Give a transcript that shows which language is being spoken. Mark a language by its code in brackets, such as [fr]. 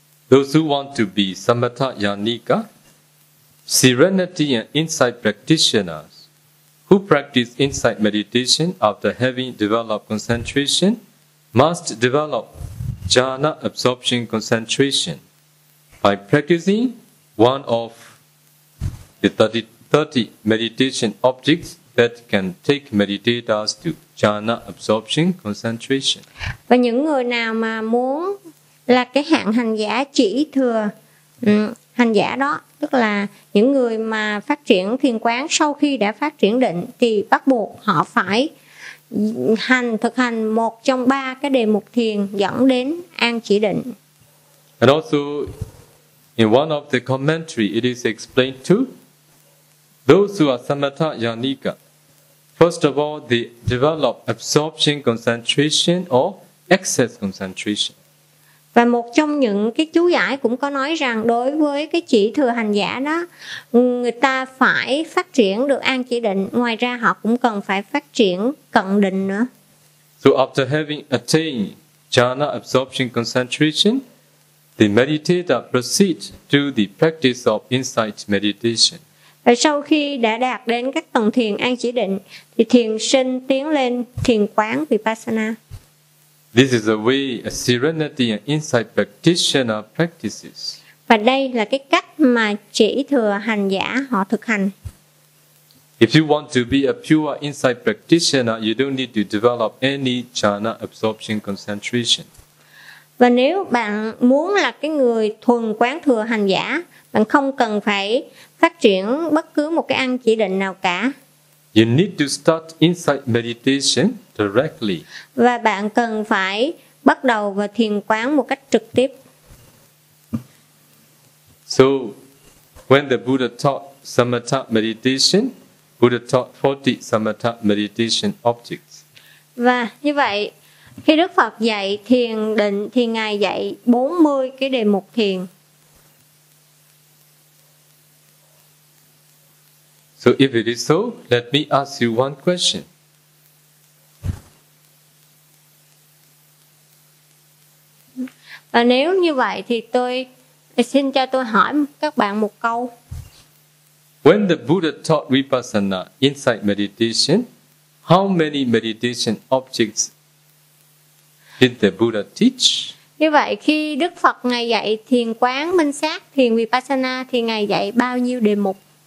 [en] Those who want to be samatha yanika, serenity and insight practitioners who practice insight meditation after having developed concentration must develop jhana absorption concentration. By practicing one of the 30 meditation objects that can take meditators to jhana absorption concentration. [vi] Và những người nào mà muốn là cái hạng hành giả chỉ thừa hành giả đó, tức là những người mà phát triển thiền quán sau khi đã phát triển định thì bắt buộc họ phải hành thực hành một trong ba cái đề mục thiền dẫn đến an chỉ định. [en] And also in one of the commentary it is explained to those who are samatha yanika, first of all they develop absorption concentration or excess concentration. [vi] Và một trong những cái chú giải cũng có nói rằng đối với cái chỉ thừa hành giả đó, người ta phải phát triển được an chỉ định, ngoài ra họ cũng cần phải phát triển cận định nữa. [en] So after having attained jhana absorption concentration, the meditator proceeds to the practice of insight meditation. [vi] Và sau khi đã đạt đến các tầng thiền an chỉ định, thì thiền sinh tiến lên thiền quán Vipassana. [en] This is the way a serenity and insight practitioner practices. [vi] Và đây là cái cách mà chỉ thừa hành giả họ thực hành. [en] If you want to be a pure insight practitioner, you don't need to develop any jhana absorption concentration. [vi] Và nếu bạn muốn là cái người thuần quán thừa hành giả, bạn không cần phải phát triển bất cứ một cái an chỉ định nào cả. [en] You need to start insight meditation directly. [vi] Và bạn cần phải bắt đầu vào thiền quán một cách trực tiếp. [en] So, when the Buddha taught samatha meditation, Buddha taught 40 samatha meditation objects. [vi] Và như vậy, khi Đức Phật dạy thiền định thì Ngài dạy 40 cái đề mục thiền. [en] So if it is so, let me ask you one question. [vi] Và nếu như vậy thì tôi xin cho tôi hỏi các bạn một câu. [en] When the Buddha taught Vipassana, insight meditation, how many meditation objects did the Buddha teach? [vi] Như vậy khi Đức Phật Ngài dạy thiền quán minh sát, thiền Vipassana thì Ngài dạy bao nhiêu đề mục?